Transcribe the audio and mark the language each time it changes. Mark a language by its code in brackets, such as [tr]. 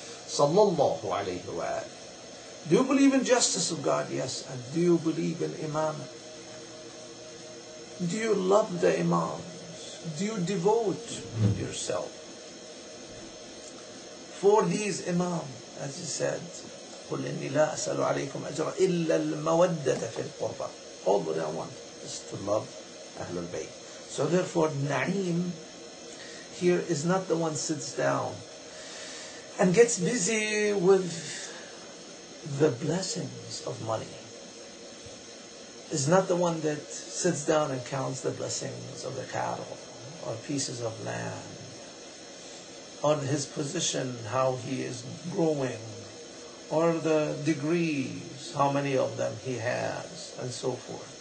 [en] Sallallahu alayhi wa alayhi. Do you believe in justice of God? Yes. And do you believe in Imam? Do you love the imams? Do you devote yourself for these imams? As he said, [ar] قُلْ إِنِّي لَا أَسَأَلُ عَلَيْكُمْ أَجْرًا إِلَّا الْمَوَدَّةَ فِي الْقُرْبَى. [en] All that I want is to love Ahlul Bayt. So therefore, Na'im here is not the one sits down and gets busy with the blessings of money. Is not the one that sits down and counts the blessings of the cattle or pieces of land or his position, how he is growing, or the degrees, how many of them he has, and so forth.